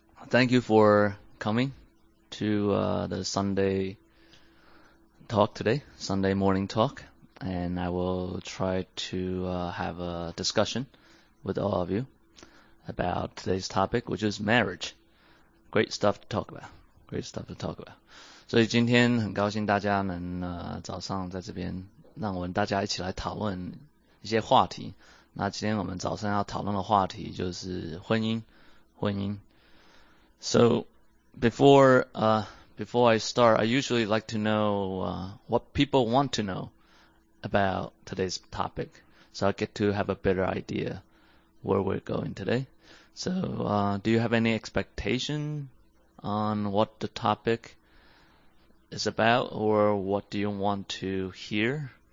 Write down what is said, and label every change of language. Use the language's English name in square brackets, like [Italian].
[English] thank you for coming to the Sunday talk today, Sunday morning talk, and I will try to have a discussion with all of you about today's topic, which is marriage. Great stuff to talk about. Great stuff to talk about. [Chinese] 所以今天很高兴大家能早上在这边，让我们大家一起来讨论一些话题。那今天我们早上要讨论的话题就是婚姻，婚姻。 [English] So before I start, I usually like to know what people want to know about today's topic, so I get to have a better idea where we're going today. So do you have any expectation on what the topic is about, or what do you want to hear?